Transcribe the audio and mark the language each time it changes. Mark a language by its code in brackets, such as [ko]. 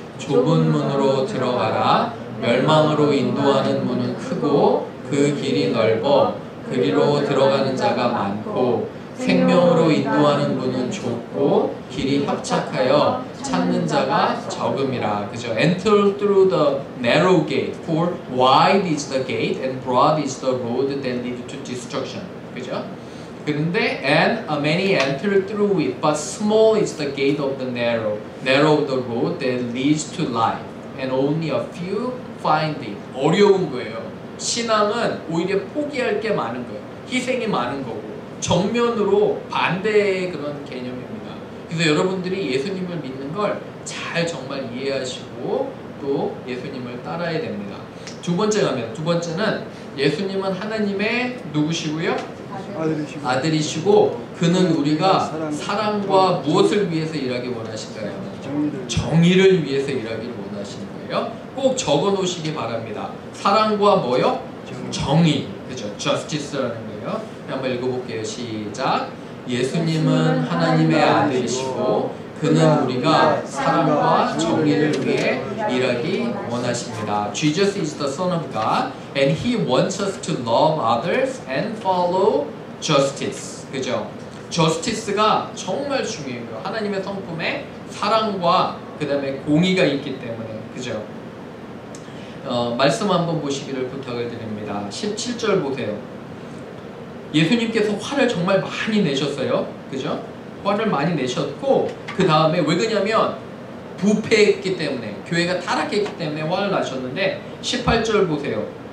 [ko] 좁은 문으로 들어가라. 멸망으로 인도하는 문은 크고 그 길이 넓어 그리로 들어가는 자가 많고 생명으로 인도하는 문은 좁고 길이 협착하여 찾는 자가 적음이라. 그죠? [en] Enter through the narrow gate. For wide is the gate and broad is the road that leads to destruction. [ko] 그죠? 그런데 [en] and many enter through it, but small is the gate of the narrow, narrow the road that leads to life, and only a few find it. [ko] 어려운 거예요. 신앙은 오히려 포기할 게 많은 거예요. 희생이 많은 거고 정면으로 반대의 그런 개념입니다. 그래서 여러분들이 예수님을 믿는 걸 잘 정말 이해하시고 또 예수님을 따라야 됩니다. 두 번째 가면 두 번째는 예수님은 하나님의 누구시고요? 아들이시고, 아들이시고 그는 우리가 사랑과 무엇을 위해서 일하기 원하실까요? 정의를 위해서 일하기를 원하시는 거예요. 꼭 적어 놓으시기 바랍니다. 사랑과 뭐요? 정의. 그렇죠. Justice라는 거예요. 한번 읽어볼게요. 시작. 예수님은 하나님의 아들이시고 그는 우리가 사랑과 정의를 위해 일하기 원하십니다. [en] Jesus is the Son of God and He wants us to love others and follow justice. [ko] 그죠? Justice가 정말 중요해요. 하나님의 성품에 사랑과 그 다음에 공의가 있기 때문에. 그죠? 말씀 한번 보시기를 부탁을 드립니다. 17절 보세요. 예수님께서 화를 정말 많이 내셨어요. 그죠? 화를 많이 내셨고 그 다음에 왜 그러냐면 부패했기 때문에 교회가 타락했기 때문에 화를 나셨는데 18절 보세요.